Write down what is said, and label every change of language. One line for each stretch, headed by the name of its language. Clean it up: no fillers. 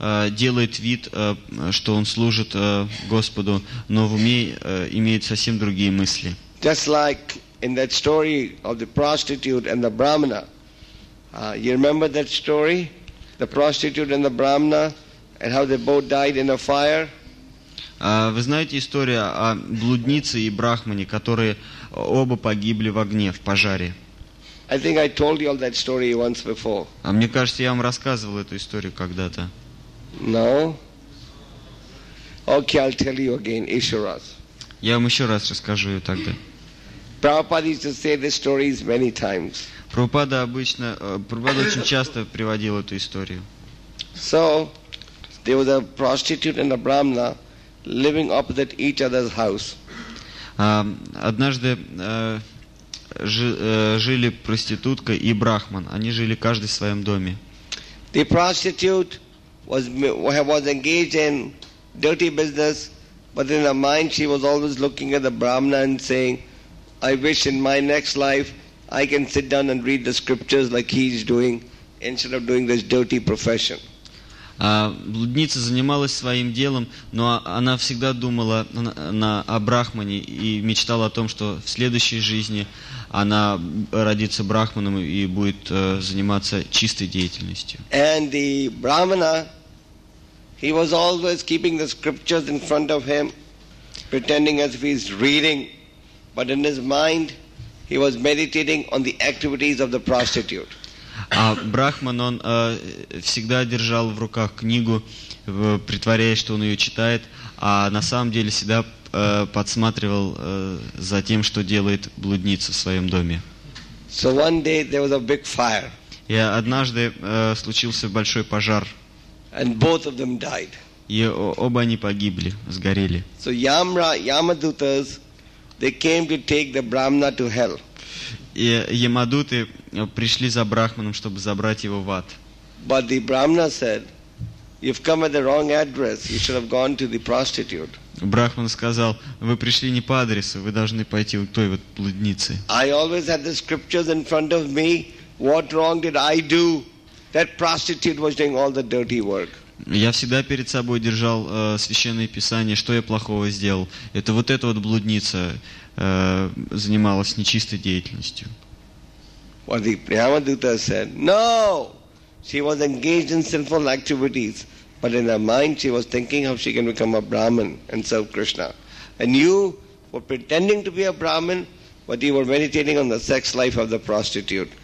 Russian: делает вид, что он служит Господу, но в уме имеет совсем другие мысли.
English: Just like in that story of the prostitute and the brahmana. You remember that story? The prostitute and the brahmana and how they both died in a fire?
Russian: Вы знаете историю о блуднице и брахмане, которые оба погибли в огне, в пожаре?
English: I think I told you all that story once before.
Russian: А мне кажется, я вам рассказывал эту историю когда-то.
English: No? Okay, I'll tell you again,
Russian: еще раз. Я вам еще раз расскажу ее тогда.
English: Prabhupada used to say the stories many times.
Russian: Прабхупада очень часто приводил эту историю.
English: So, there was a prostitute and a brahmana living opposite each other's house.
Russian: Однажды жили проститутка и брахман. Они жили каждый в своем доме.
English: The prostitute was engaged in dirty business, but in her mind she was always looking at the brahmana and saying, I wish in my next life I can sit down and read the scriptures like he's doing instead of doing this dirty profession.
Russian: Блудница занималась своим делом, но она всегда думала о брахмане и мечтала о том, что в следующей жизни она родится брахманом и будет заниматься чистой деятельностью.
English: And the brahmana, he was always keeping the scriptures in front of him, pretending as if he's reading, but in his mind he was meditating on the activities of the prostitute.
Russian: А брахман, он всегда держал в руках книгу, притворяясь, что он ее читает, а на самом деле всегда подсматривал за тем, что делает блудница в своем доме.
English: So one day there was a big fire.
Russian: И однажды случился большой пожар.
English: And both of them died.
Russian: И оба они погибли, сгорели.
English: So Yamadutas, they came to take the brahmana to hell.
Russian: И ямадуты пришли за брахманом, чтобы забрать его в ад.
English: But the brahmana said, "You've come at the wrong address. You should have gone to the prostitute."
Russian: Брахман сказал: "Вы пришли не по адресу. Вы должны пойти к той вот блуднице."
English: I always had the scriptures in front of me. What wrong did I do? That prostitute was doing all the dirty work.
Russian: Я всегда перед собой держал священные писания. Что я плохого сделал? Это вот эта вот блудница занималась нечистой деятельностью.
English: Well, the Yamaduta said, no, she was engaged in sinful activities, but in her mind she was thinking how she can become a Brahmin and serve Krishna. And you were pretending to be a Brahmin, but you were meditating on the sex life of the prostitute.